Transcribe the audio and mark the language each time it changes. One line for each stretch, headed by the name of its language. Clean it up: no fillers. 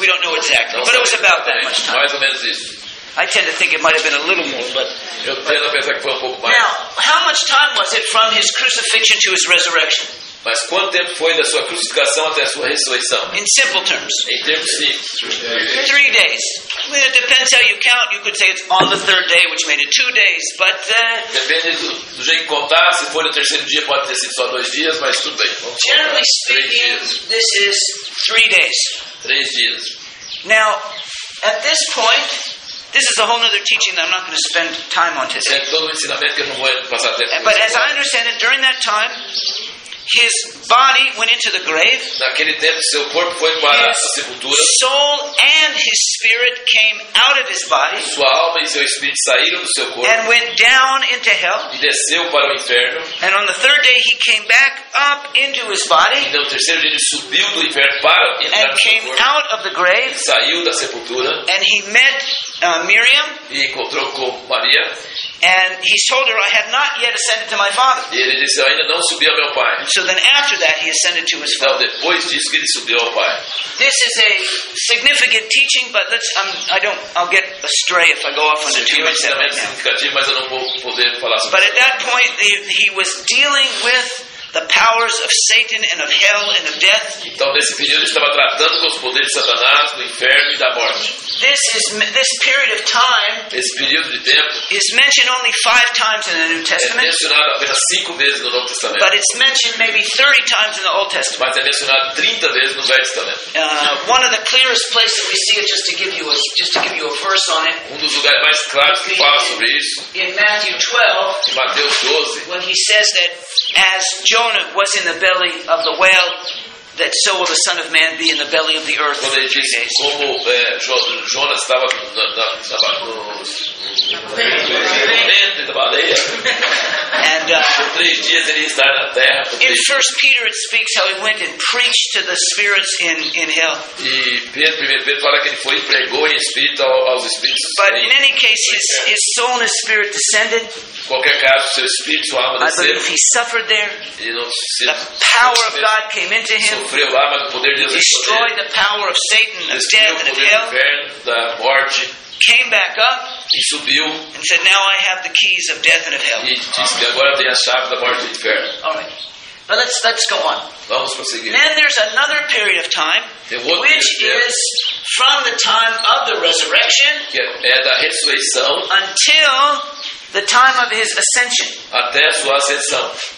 English: We don't know exactly, but it was about that much time.
Portuguese: Mais ou menos isso.
English: I tend to think it might have been a little more, but...
Portuguese: Eu tendo a pensar que foi um pouco mais.
English: Now, how much time was it from his crucifixion to his resurrection?
Portuguese: Mas quanto tempo foi da sua crucificação até a sua ressurreição?
English: In simple terms.
Portuguese: Em termos simples.
English: 3 days. Well, it depends how you count. You could say it's on the third day, which made it 2 days, but...
Portuguese: Depende do jeito que contar. Se for no terceiro dia, pode ter sido só 2 dias, mas tudo bem.
English: Generally speaking, this is 3 days.
Portuguese: 3 dias.
English: Now, at this point... This is a whole other teaching that I'm not going to spend time on today.
Portuguese: É todo um ensinamento que eu não vou passar tempo.
English: But as I understand it, during that time, his body went into the grave.
Portuguese: Naquele tempo, seu corpo foi para a sepultura.
English: Soul and his spirit came out of his body.
Portuguese: Sua alma e seu espírito saíram do seu corpo.
English: And went down into hell.
Portuguese: E desceu para o inferno.
English: And on the third day, he came back up into his body.
Portuguese: E no terceiro dia, ele subiu do inferno para entrar no seu corpo.
English: And came out of the grave.
Portuguese: E saiu da sepultura.
English: And he met Miriam.
Portuguese: E encontrou com Maria.
English: And he told her, I have not yet ascended to my Father.
Portuguese: E ele disse, eu ainda não subi ao meu Pai.
English: So then after that, he ascended to his Father.
Portuguese: Então, depois disso que ele subiu ao Pai.
English: This is a significant teaching, but I'll get astray if I go off on the two minutes.
Portuguese: Isso aqui é um ensinamento significativo, mas eu não vou poder falar sobre.
English: But at that point, he was dealing with the powers of Satan and of hell and of death.
Portuguese: Então, nesse período, ele estava tratando com os poderes de Satanás, do inferno e da morte.
English: This period of time.
Portuguese: Esse período de tempo
English: is mentioned only 5 times in the New Testament.
Portuguese: É mencionado apenas 5 vezes no Novo Testamento.
English: But it's mentioned maybe 30 times in the Old Testament.
Portuguese: Mas é mencionado 30 vezes no Velho Testamento.
English: One of the clearest places we see it, just to give you a verse on it.
Portuguese: Um dos lugares mais claros que fala sobre isso.
English: In Matthew 12.
Portuguese: Mateus 12.
English: When he says that as Jonah was in the belly of the whale, that so will the Son of Man be in the belly of the earth for 3 days.
Portuguese: Como Jonas estava na ventre da baleia.
English: And
Portuguese: por 3 dias ele está na terra.
English: In 1 Peter it speaks how he went and preached to the spirits in hell.
Portuguese: E Pedro fala que ele foi e pregou em espírito aos espíritos.
English: But in any case, his soul and his spirit descended.
Portuguese: Qualquer caso, seu espírito, sua alma desceu.
English: I believe he suffered there.
Portuguese: E não se
English: the power of God came into him.
Portuguese: Lá, mas o poder de Deus
English: destroyed the power of Satan, of death, and of hell.
Portuguese: Inferno, da morte,
English: came back up.
Portuguese: E subiu.
English: And said, now I have the keys of death and of hell.
Portuguese: E disse que agora tem a chave da morte e do inferno.
English: All right. But let's go on.
Portuguese: Vamos prosseguir.
English: Then there's another period of time, which is from the time of the resurrection,
Portuguese: que é da ressurreição,
English: until the time of his ascension.
Portuguese: Até a sua ascensão.